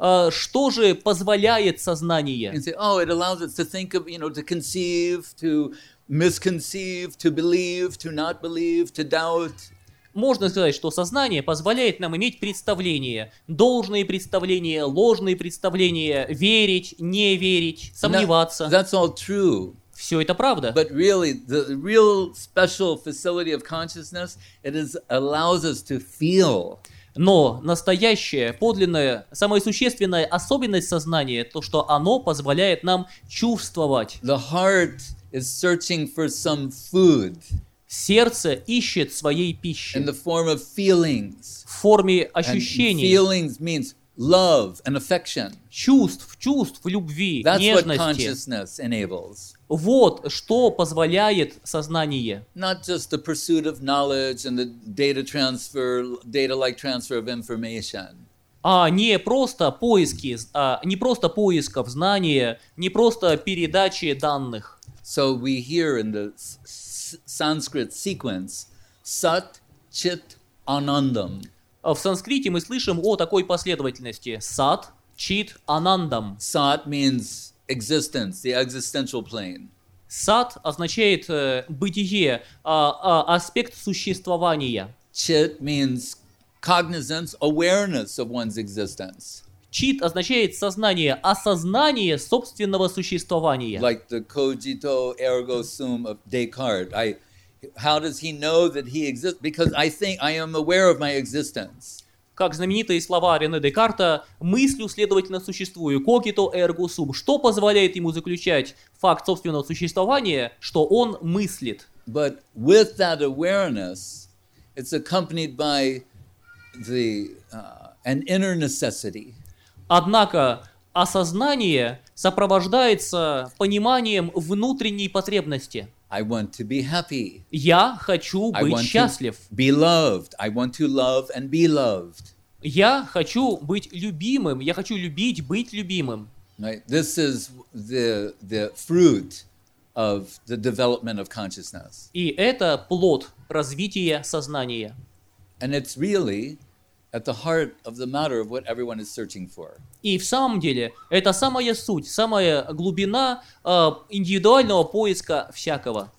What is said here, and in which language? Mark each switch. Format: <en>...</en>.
<ru>Что же позволяет сознание?</ru> <en>You can say, oh, it allows us to think of, you know, to conceive, to misconceive, to believe, to not believe, to doubt.</en> <ru>Можно сказать, что сознание позволяет нам иметь представления, должные представления, ложные представления, верить, не верить, сомневаться.</ru> <en>That's all true.</en> <ru>Все это правда.</ru> <en>But really, the real special facility of consciousness, it is allows us to feel.</en> <ru>Но настоящая, подлинная, самая существенная особенность сознания то, что оно позволяет нам чувствовать.</ru> <en>The heart is searching for some food.</en> <ru>Сердце ищет своей пищи.</ru> <en>In the form of feelings.</en> <ru>В форме ощущений.</ru> <en>And feelings means love and affection.</en> <ru>Чувств, любви,</ru> <en>That's</en> <ru>нежности.</ru> <en>What consciousness enables.</en> <ru>Вот что позволяет сознание.</ru> <en>Not just the pursuit of knowledge and the data transfer, data-like transfer of information.</en> <ru>А не просто поиски, не просто поисков знания, не просто передачи данных.</ru> <en>So we hear in the Sanskrit sequence sat chit anandam.</en> <ru>В санскрите мы слышим о такой последовательности: sat chit anandam.</ru> <en>Sat means existence, the existential plane.</en> <ru>Сад означает бытие, аспект существования.</ru> <en>Чит means cognizance, awareness of one's existence.</en> <ru>Чит означает сознание, осознание собственного существования.</ru> <en>Like the</en> <la>cogito ergo sum</la> <en>of Descartes. How does he know that he exists? Because I think I am aware of my existence.</en> <ru>Как знаменитые слова Рене Декарта, мыслю, следовательно, существую,</ru> <la>cogito ergo sum.</la> <ru>Что позволяет ему заключать факт собственного существования, что он мыслит?</ru> <en>But with that awareness, it's accompanied by the an inner necessity.</en> <ru>Однако осознание сопровождается пониманием внутренней потребности.</ru> <en>I want to be happy.</en> <ru>Я хочу быть счастлив.</ru> <en>I want to be loved. I want to love and be loved.</en> <ru>Я хочу быть любимым. Я хочу любить быть любимым.</ru> <en>Right. This is the fruit of the development of consciousness.</en> <ru>И это плод развития сознания.</ru> <en>And it's really at the heart of the matter of what everyone is searching for.</en> <ru>И в самом деле, это самая суть, самая глубина индивидуального поиска всякого.</ru>